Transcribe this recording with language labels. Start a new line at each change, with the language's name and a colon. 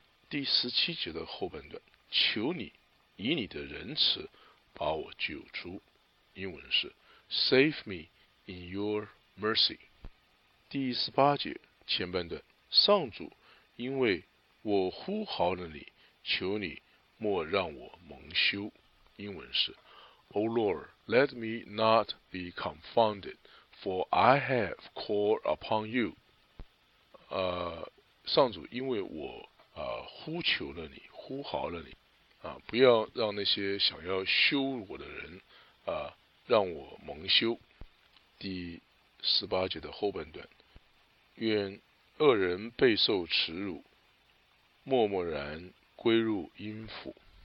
Chinese: 第17节的后半段，求你以你的仁慈把我救出。英文是
English: Save me in your mercy。
Chinese: 第18节前半段，上主，因为我呼号了你，求你莫让我蒙羞。英文是
English: O Lord, let me not be confounded, for I have called upon you。
Chinese: 上主，因为我呼求了你，呼号了你，不要让那些想要羞辱我的人让我蒙羞。第18节的后半段，愿恶人备受耻辱，默默然归入阴府。